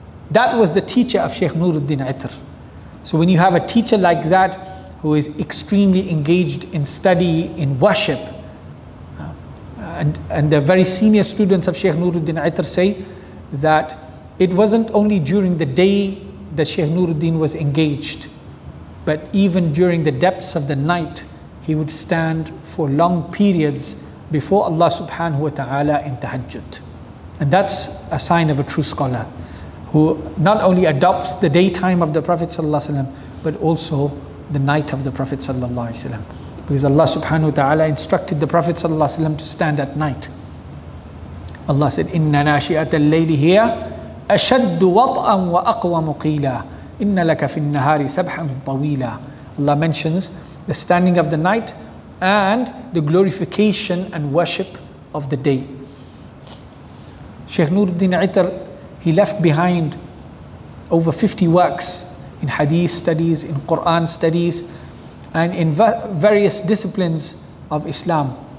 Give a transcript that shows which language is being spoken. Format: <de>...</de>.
<en>That was the teacher of Shaykh Nuruddin Itr. So when you have a teacher like that, who is extremely engaged in study, in worship, and the very senior students of Shaykh Nuruddin Itr say that it wasn't only during the day that Shaykh Nuruddin was engaged, but even during the depths of the night, he would stand for long periods before Allah subhanahu wa ta'ala in tahajjud. And that's a sign of a true scholar, who not only adopts the daytime of the Prophet sallallahu alaihi wasallam, but also the night of the Prophet sallallahu alaihi wasallam. Because Allah subhanahu wa ta'ala instructed the Prophet sallallahu alaihi wasallam to stand at night. Allah said,</en> <ar>إِنَّ نَاشِئَةَ اللَّيْلِ هِيَ أَشَدُّ وَطْأً وَأَقْوَ مُقِيلًا إِنَّ لَكَ فِي النَّهَارِ سَبْحًا طَوِيلًا.</ar> <en>Allah mentions the standing of the night and the glorification and worship of the day. Shaykh Nuruddin Itr, he left behind over 50 works in hadith studies, in Quran studies, and in various disciplines of Islam.</en>